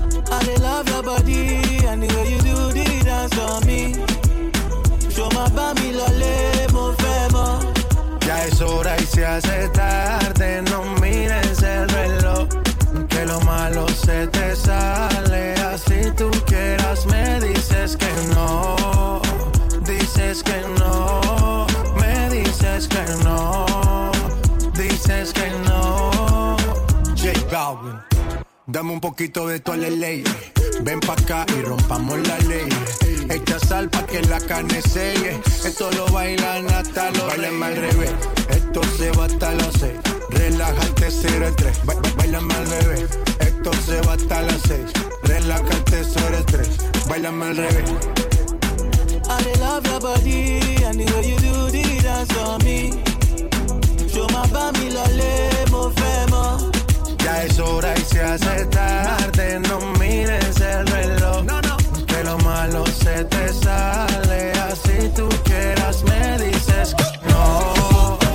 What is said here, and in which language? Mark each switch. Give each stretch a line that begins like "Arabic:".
English: I love your body, and the way you do the dance on me. Show my baby, la lemo febo.
Spanish: Ya es hora y se hace tarde, no mires el reloj. Que lo malo se te sale, así tú quieras, me dices que no, dices que no, me dices que no, dices que no. dices que no. J Balvin, dame un poquito de tu ley. Ven pa' acá y rompamos la ley. Echa sal pa' que la carne selle. Esto lo bailan hasta los bailan al revés. Esto se va hasta las seis. Relájate, 0-3. Bailame al revés. Esto se va hasta las seis. Relájate, 0-3. Bailame al revés.
English: I love your body and the way you do the dance on me. Show my family la lemo femo.
Spanish: Ya es hora y se hace tarde, no mires el reloj. No, no. Que lo malo se te sale, así tú quieras me dices que no.